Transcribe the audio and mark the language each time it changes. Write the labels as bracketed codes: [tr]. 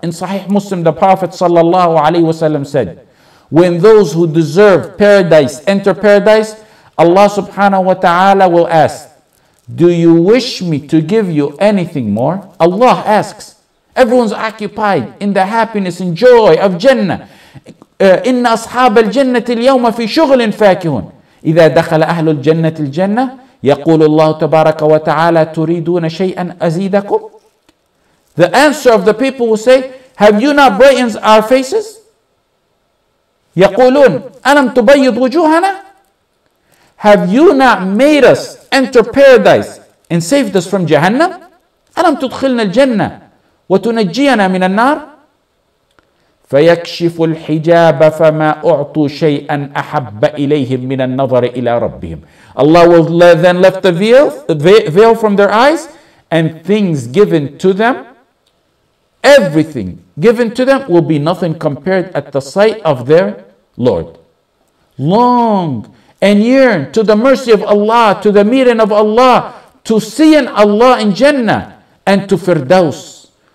[en] In Sahih Muslim, the Prophet sallallahu alaihi wasallam said, when those who deserve paradise enter paradise, Allah subhanahu wa ta'ala will ask, do you wish me to give you anything more? Allah asks. Everyone's occupied in the happiness and joy of Jannah. [ar] إن أصحاب الجنة اليوم في شغل فاكهون. إذا دخل أهل الجنة الجنة يقول الله تبارك وتعالى تريدون شيئا أزيدكم. [en] The answer of the people will say, have you not brightened our faces? [ar] يقولون ألم تبيض وجوهنا. [en] Have you not made us enter paradise and saved us from Jahannam? [ar] ألم تدخلنا الجنة وتنجينا من النار؟ فيكشف الحجاب فما أعطوا شيئا أحب إليهم من النظر إلى ربهم. [en] Allah will then lift the veil from their eyes, and things given to them, everything given to them will be nothing compared at the sight of their Lord. Long and yearn to the mercy of Allah, to the meeting of Allah, to seeing Allah in Jannah, and to Firdaus.